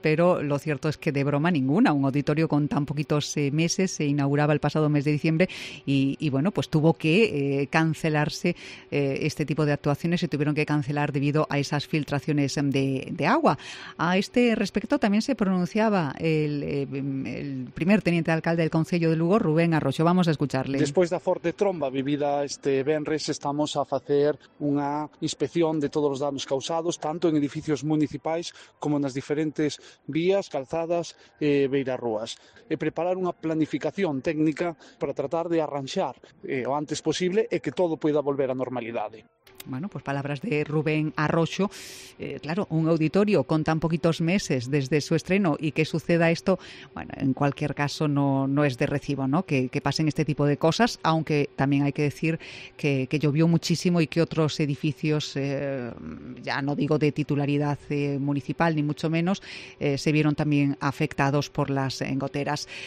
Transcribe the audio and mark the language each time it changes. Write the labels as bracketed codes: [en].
[es] Pero lo cierto es que de broma ninguna, un auditorio con tan poquitos meses, se inauguraba el pasado mes de diciembre y bueno, pues tuvo que cancelarse este tipo de actuaciones, se tuvieron que cancelar debido a esas filtraciones de agua. A este respecto también se pronunciaba el primer teniente de alcalde del Concello de Lugo, Rubén Arroyo. Vamos a escucharle. Berlín. [gl] Despois da forte tromba vivida este venres, estamos a facer unha inspección de todos os danos causados, tanto en edificios municipais como nas diferentes vías, calzadas e beirarrúas. E preparar unha planificación técnica para tratar de arranxar o antes posible e que todo poida volver á normalidade. [es] Bueno, pues palabras de Rubén Arroxo. Claro, un auditorio con tan poquitos meses desde su estreno y que suceda esto, bueno, en cualquier caso no es de recibo, ¿no? Que pasen este tipo de cosas, aunque también hay que decir que llovió muchísimo y que otros edificios, ya no digo de titularidad municipal ni mucho menos, se vieron también afectados por las goteras.